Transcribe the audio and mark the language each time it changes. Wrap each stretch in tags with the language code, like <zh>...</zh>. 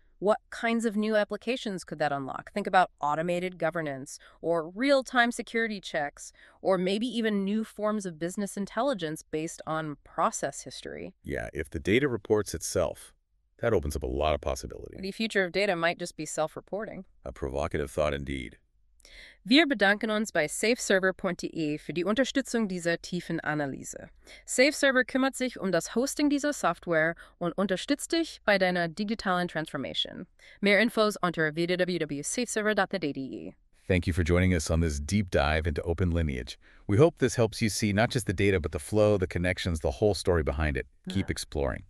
<en>What kinds of new applications could that unlock? Think about automated governance or real-time security checks or maybe even new forms of business intelligence based on process history. Yeah, if the data reports itself, that opens up a lot of possibilities. The future of data might just be self-reporting. A provocative thought indeed.</en> <de>Wir bedanken uns bei SafeServer.de für die Unterstützung dieser tiefen Analyse. SafeServer kümmert sich um das Hosting dieser Software und unterstützt dich bei deiner digitalen Transformation. Mehr Infos unter www.safeserver.de.</de> <en>Thank you for joining us on this deep dive into Open Lineage. We hope this helps you see not just the data, but the flow, the connections, the whole story behind it. Keep exploring.</en>